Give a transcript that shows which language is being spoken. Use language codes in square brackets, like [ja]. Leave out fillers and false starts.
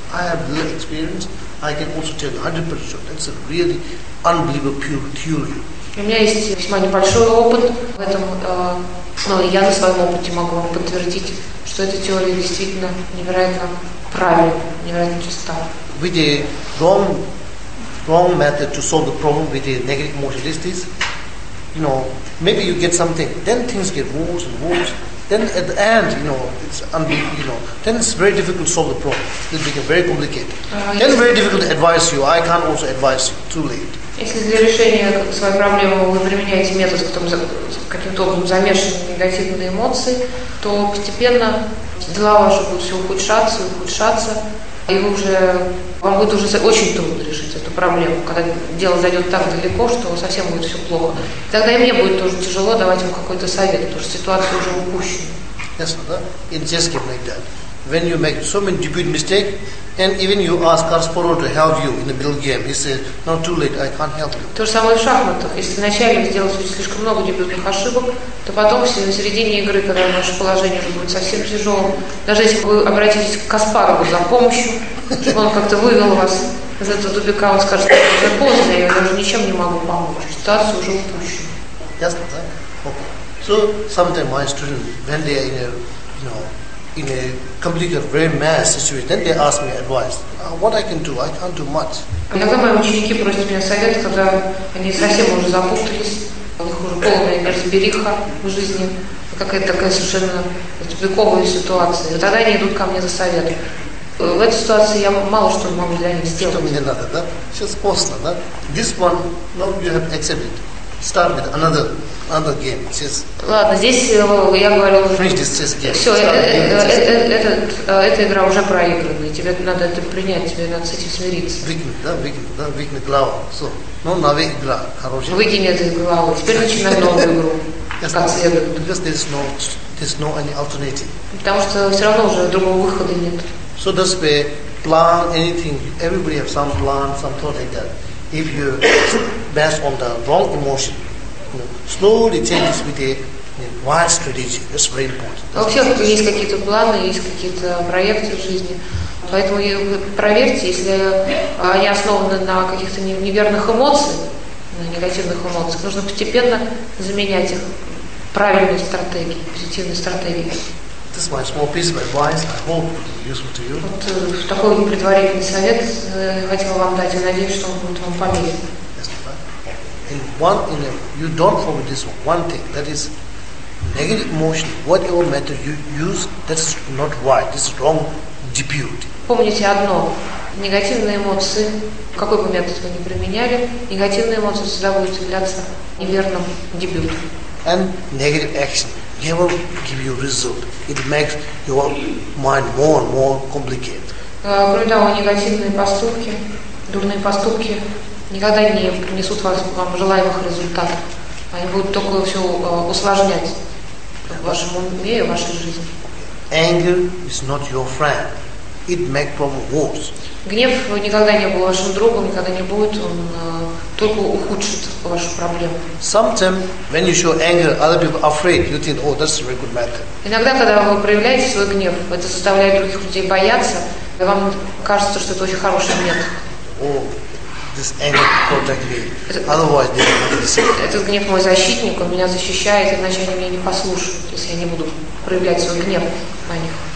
[en] I have real experience. I can also tell 100% sure. That's a really unbelievable pure theory. [ru] У меня есть весьма небольшой опыт в этом, но я на своем опыте могу вам подтвердить, что эта теория действительно невероятно правильная, невероятно чиста. [en] With the wrong method to solve the problem with the negative emotion, this is, you know, maybe you get something, then things get worse and worse. Then at the end, you know, then it's very difficult to solve the problem. It becomes very complicated. Then very difficult to advise you. I can't also advise you. Too late. [ru] Если для решения своей проблемы вы применяете метод, в котором каким-то образом замешаны негативные эмоции, то постепенно дела ваши будут все ухудшаться и ухудшаться, и вы уже, вам будет уже очень трудно решить эту проблему, когда дело зайдет так далеко, что совсем будет все плохо. Тогда и мне будет тоже тяжело давать вам какой-то совет, потому что ситуация уже упущена. [en] Yes, [ru] да? [en] It just keep like that. When you make so many debut mistakes, and even you ask Kasparov to help you in the middle game, he says, no, too late, I can't help you. [ru] То же самое в шахматах. Если вначале вы сделаете слишком много дебютных ошибок, то потом, если на середине игры, когда ваше положение уже будет совсем тяжелым, даже если вы обратитесь к Каспарову за помощью, чтобы он как-то вывел вас из этого тупика, он скажет, что уже поздно, я даже ничем не могу помочь, ситуация уже упущена. Ясно, да? [en] Okay. So, sometimes my students, when they are in a complete very mad situation, then they ask me advice. What I can do? I can't do much. [ru] Иногда мои ученики просят меня совет, когда они совсем уже запутались, у них уже полная неразбериха в жизни, какая-то такая совершенно тупиковая ситуация. И тогда они идут ко мне за советом. В этой ситуации я мало что могу для них сделать. Что мне надо, да? Сейчас поздно, да? [en] This one, now you have accepted. Starting another game. Says. [ru] Ладно, здесь я говорю. [en] Finish this game. [ru] Все, эта игра уже проиграна, и тебе надо это принять, тебе надо с этим смириться. Выкинь главу. Все. Ну, новая игра хорошая. Выкинь эту главу. Теперь начинай новую игру. [en] Yes, [ru] как следует. [en] Because there's no any alternative. [ru] Потому что все равно уже другого выхода нет. [en] So this way, plan anything. Everybody have some plan, some thought like that. If you based on the wrong emotion, slowly change it with a wise strategy. That's very important. [ru] У всех есть какие-то планы, есть какие-то проекты в жизни. Поэтому проверьте, если они основаны на каких-то неверных эмоциях, на негативных эмоциях, нужно постепенно заменять их правильной стратегией, позитивной стратегией. [en] This is my small piece of advice. I hope it will be useful to you. [ru] Вот такой предварительный совет хотел вам дать. Я надеюсь, что он будет вам полезен. [en] Yes, and one, you don't forget this one. One thing, that is negative emotion, whatever method you use, that's not right. This is wrong debut. [ru] Помните одно. Негативные эмоции, какой бы метод вы ни применяли, негативные эмоции всегда будут являться неверным дебютом. [en] And negative action never give you result. It makes your mind more and more complicated. [ru] Кроме того, негативные поступки, дурные поступки никогда не принесут вам желаемых результатов. Они будут только все усложнять в вашем уме и в вашей жизни. [en] Anger is not your friend. It makes problems worse. [ru] Гнев никогда не был вашим другом, никогда не будет, он только ухудшит вашу проблему. [en] Sometimes when you show anger, other people are afraid. You think, oh, that's a very good matter. [ru] Иногда, когда вы проявляете свой гнев, это заставляет других людей бояться, и вам кажется, что это очень хороший метод. [en] Oh, this anger protects me. Otherwise, they will not listen. [ru] Этот гнев мой защитник, он меня защищает, иначе они меня не послушают, если я не буду проявлять свой гнев на них.